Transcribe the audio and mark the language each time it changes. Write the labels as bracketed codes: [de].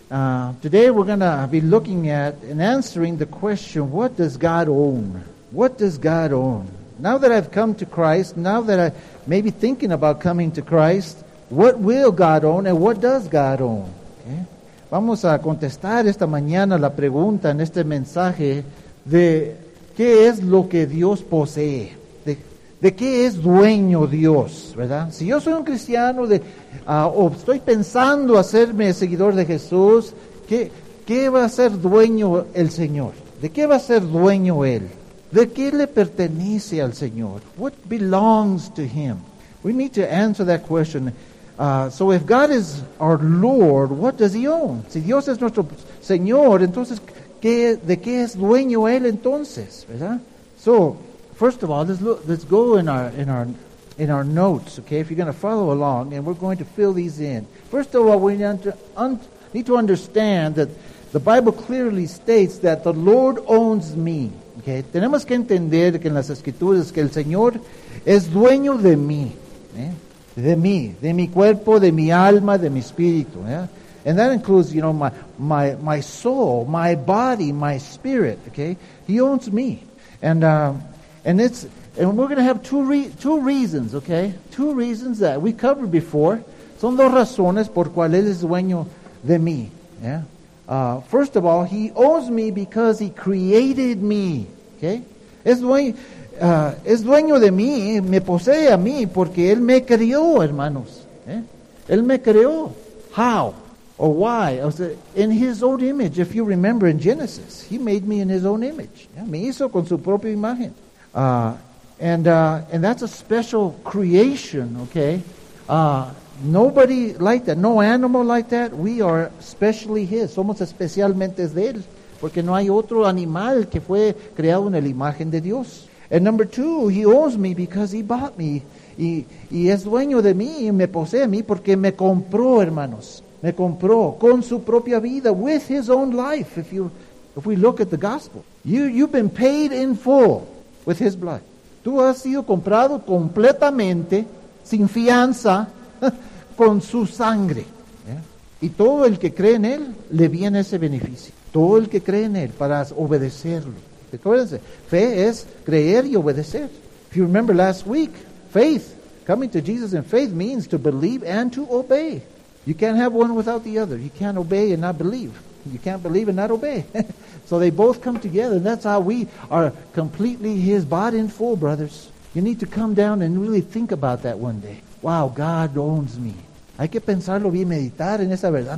[en] Today we're going to be looking at and answering the question, what does God own? What does God own? Now that I've come to Christ, now that I may be thinking about coming to Christ, what will God own and what does God own? Okay. [es] Vamos a contestar esta mañana la pregunta en este mensaje de qué es lo que Dios posee. ¿De qué es dueño Dios, verdad? Si yo soy un cristiano o estoy pensando hacerme seguidor de Jesús, ¿qué va a ser dueño el Señor? ¿De qué va a ser dueño Él? ¿De qué le pertenece al Señor? [en] What belongs to Him? We need to answer that question. So if God is our Lord, what does He own? [es] Si Dios es nuestro Señor, entonces, ¿de qué es dueño Él entonces, verdad? [en] So, first of all, let's go in our notes, okay? If you're going to follow along, and we're going to fill these in. First of all, we need to understand that the Bible clearly states that the Lord owns me, okay? [es] Tenemos que entender que en las Escrituras que el Señor es dueño de mí, ¿eh? De mí, de mi cuerpo, de mi alma, de mi espíritu, ¿eh? [en] And that includes, you know, my soul, my body, my spirit, okay? He owns me. And we're going to have two reasons, okay? Two reasons that we covered before. [es] Son dos razones por cual él es dueño de mí, yeah? [en] First of all, he owns me because he created me, okay? [es] Es dueño de mí, me posee a mí porque él me creó, hermanos, ¿eh? Él me creó. [en] How? Or why? In his own image, if you remember in Genesis, he made me in his own image. Yeah? [es] Me hizo con su propia imagen. [en] And that's a special creation, okay? Nobody like that, no animal like that. We are specially his. [es] Somos especialmente de él, porque no hay otro animal que fue creado en la imagen de Dios. [en] And number two, he owns me because he bought me. [es] Y es dueño de mí y me posee a mí porque me compró, hermanos. Me compró con su propia vida, [en] with his own life. If we look at the gospel, you've been paid in full. With his blood. [es] Tú has sido comprado completamente, sin fianza, con su sangre. ¿Eh? Y todo el que cree en él, le viene ese beneficio. Todo el que cree en él, para obedecerlo. Recuérdense, fe es creer y obedecer. [en] If you remember last week, faith, coming to Jesus in faith means to believe and to obey. You can't have one without the other. You can't obey and not believe. You can't believe and not obey. So they both come together, and that's how we are completely his body and full, brothers. You need to come down and really think about that one day. Wow, God owns me. [es] Hay que pensarlo bien, meditar en esa verdad.